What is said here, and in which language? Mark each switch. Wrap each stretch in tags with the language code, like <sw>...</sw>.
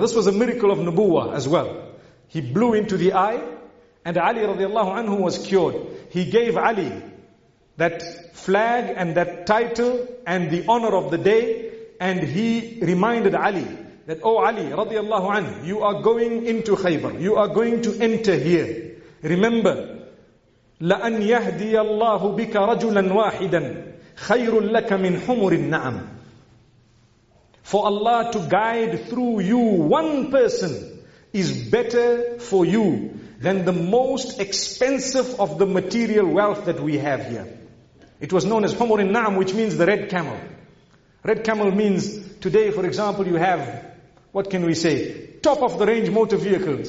<en>This was a miracle of Nubuwwah as well. He blew into the eye and Ali radiallahu anhu was cured. He gave Ali that flag and that title and the honor of the day. And he reminded Ali that, oh Ali radiallahu anhu, you are going into Khaybar. You are going to enter here.</en> <ar>Remember, لَأَنْ يَهْدِيَ اللَّهُ بِكَ رَجُلًا وَاحِدًا خَيْرٌ لَكَ مِنْ حُمُرِ النَّعَمِ.</ar> <en>For Allah to guide through you one person is better for you than the most expensive of the material wealth that we have here. It was known as</en> <ar>حُمُرِ النَّعَمِ,</ar> <en>which means the red camel. Red camel means, today for example you have, what can we say, top of the range motor vehicle.</en>